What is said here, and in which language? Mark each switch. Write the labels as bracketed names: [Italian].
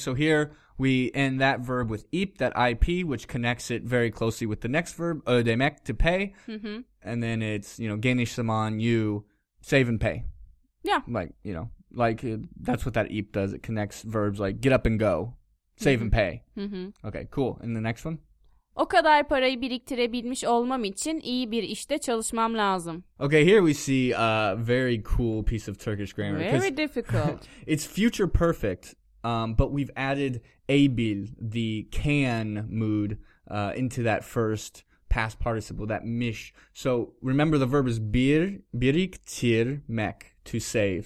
[English] So here we end that verb with ip, that ip, which connects it very closely with the next verb [Turkish] ödemek, [English] to pay. Mm-hmm. And then it's, you know, [Turkish] genish zaman, [English] you save and pay. Yeah. Like, you know, like that's what that ip does. It connects verbs like get up and go, save mm-hmm. and pay. Mm-hmm. Okay, cool. And the next one? [Turkish] O kadar parayı biriktirebilmiş olmam için iyi bir işte çalışmam lazım. [English] Okay, here we see a very cool piece of Turkish grammar. Very difficult. It's future perfect, but we've added ebil, the can mood, into that first past participle, that mish. So remember the verb is [Turkish] biriktirmek, [English] to save.